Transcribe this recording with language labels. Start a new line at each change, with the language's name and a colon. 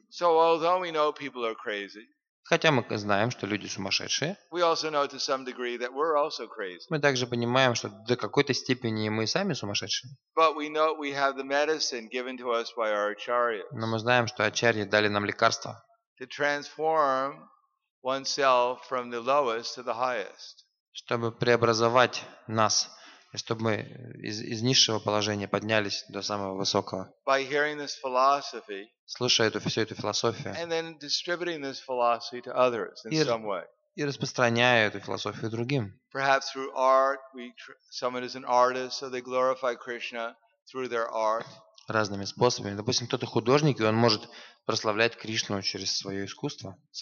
English: So although we know people are crazy,
Russian: хотя мы знаем, что люди сумасшедшие,
English: we also know to some degree that we're also crazy.
Russian: Мы также понимаем, что до какой-то степени мы сами сумасшедшие.
English: But we know we have the medicine given to us by our acharyas.
Russian: Но мы знаем, что ачарьи дали нам лекарства.
English: To transform oneself from the lowest to the highest.
Russian: Чтобы преобразовать нас, чтобы мы из низшего положения поднялись до самого высокого.
English: By hearing this philosophy.
Russian: Слушая всю эту философию.
English: And then distributing this philosophy to others in some way.
Russian: И распространяя эту философию другим.
English: Perhaps through art, someone is an artist, so they glorify Krishna through their art.
Russian: Разными способами. Допустим, кто-то художник, и он может прославлять Кришну через свое искусство.